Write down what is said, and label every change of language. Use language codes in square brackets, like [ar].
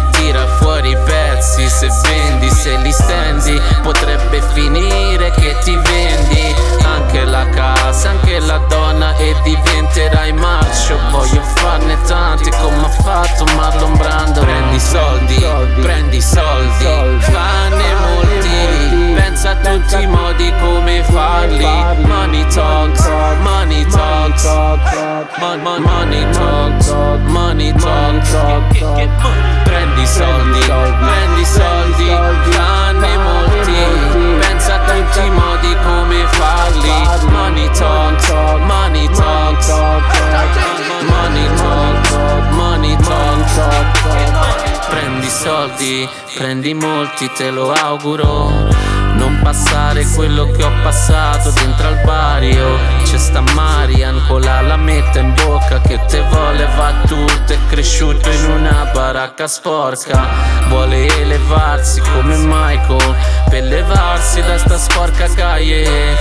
[it] Tira fuori i pezzi. Se vendi, se li stendi, potrebbe finire che ti vendi anche la casa, anche la donna, e diventerai marcio. Voglio farne tanti come ha fatto Marlon Brando. Prendi soldi, prendi soldi, fanne molti. Pensa a tutti i modi come farli. [en] Money talks, money talks, money talks, money talks. [it] Prendi soldi, prendi soldi, fanne molti. Pensa a tutti i modi come farli. [en] Money talks, money talks, money talks, money talks. [it] Prendi soldi, prendi molti, te lo auguro. Non passare quello che ho passato dentro al barrio. C'è sta Marian con la lametta in bocca che te voleva tutto. È cresciuto in una baracca sporca. Vuole elevarsi come Michael per levarsi da sta sporca caie.